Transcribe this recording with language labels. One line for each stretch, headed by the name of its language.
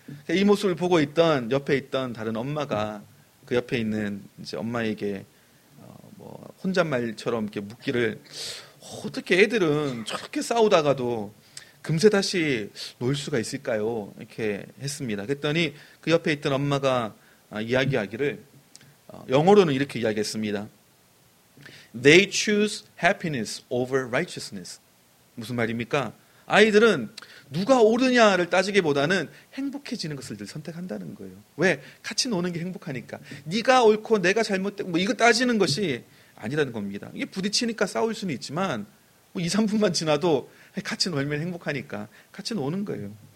Korean: 이 모습을 보고 있던 옆에 있던 다른 엄마가 그 옆에 있는 이제 엄마에게 뭐 혼잣말처럼 이렇게 묻기를 어떻게 애들은 저렇게 싸우다가도 금세 다시 놀 수가 있을까요? 이렇게 했습니다. 그랬더니 그 옆에 있던 엄마가 이야기하기를 영어로는 이렇게 이야기했습니다.
English: They choose happiness over righteousness.
Korean: 무슨 말입니까? 아이들은 누가 옳으냐를 따지기보다는 행복해지는 것을 늘 선택한다는 거예요. 왜? 같이 노는 게 행복하니까. 네가 옳고 내가 잘못된 뭐 이거 따지는 것이 아니라는 겁니다. 이게 부딪히니까 싸울 수는 있지만 뭐 2, 3분만 지나도 같이 놀면 행복하니까 같이 노는 거예요.